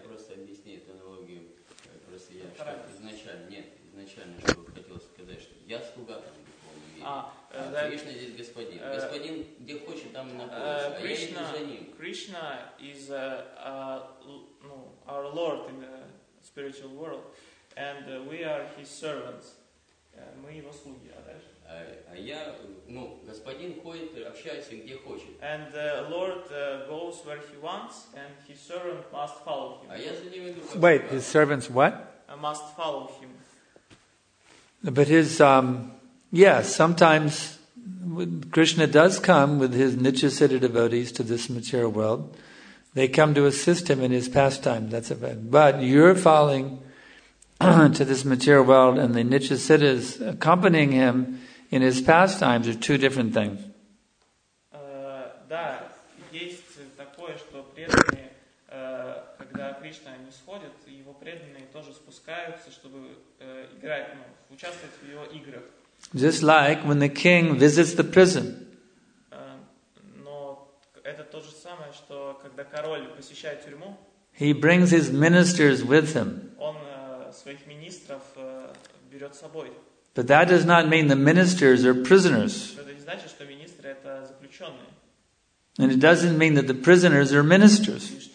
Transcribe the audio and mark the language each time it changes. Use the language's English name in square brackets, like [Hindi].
[Russian] просто объясняет аналогию. Просто я что изначально что хотел сказать, что я слуга там в духовном мире. А Кришна здесь господин. Господин где хочет, там и находится. А я иду за ним. [English] Krishna is our lord in the spiritual world, and we are his servants. [Russian] Мы его слуги, а дальше. А я, ну, господин ходит, общается, где хочет. [English] And the Lord goes where he wants, and his servant must follow him. [Russian] А я за ним иду. [English] Wait, his servants what? Must follow him. But his, yes, sometimes Krishna does come with his Nichasiddha devotees to this material world. They come to assist him in his pastime. That's it. But you're falling to this material world, and the Nichasiddhas accompanying him in his pastimes are two different things. [Russian] Да, есть такое, что преданные, когда Кришна не сходит, его преданные тоже спускаются, чтобы играть, ну, участвовать в его играх. [English] Just like when the king visits the prison. [Russian] Но это то же самое, что когда король посещает тюрьму. [English] He brings his ministers with him. [Russian] Он своих министров берет с собой. [English] But that does not mean the ministers are prisoners. [Russian] Это не значит, что министры это заключенные. [English] And it doesn't mean that the prisoners are ministers.